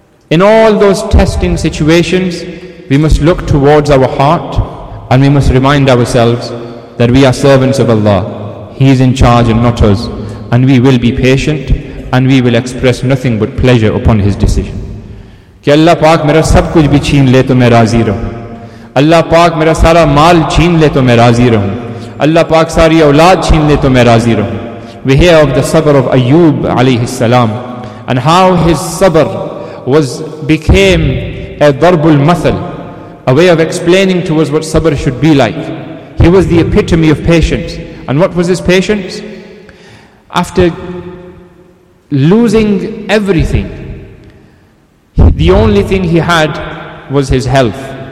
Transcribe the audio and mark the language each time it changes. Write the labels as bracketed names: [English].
[English] In all those testing situations, we must look towards our heart, and we must remind ourselves that we are servants of Allah. He is in charge and not us. And we will be patient, and we will express nothing but pleasure upon His decision. [Urdu] کہ اللہ پاک میرا سب کچھ بھی چھین لے تو میں راضی رہوں۔ اللہ پاک میرا سارا مال چھین لے تو میں راضی رہوں۔ اللہ پاک ساری اولاد چھین لے تو میں راضی رہوں۔ [English] We hear of the sabr of Ayyub alayhi salam, and how his sabr became a darbul mathal, a way of explaining to us what sabr should be like. He was the epitome of patience. And what was his patience? After losing everything, the only thing he had was his health.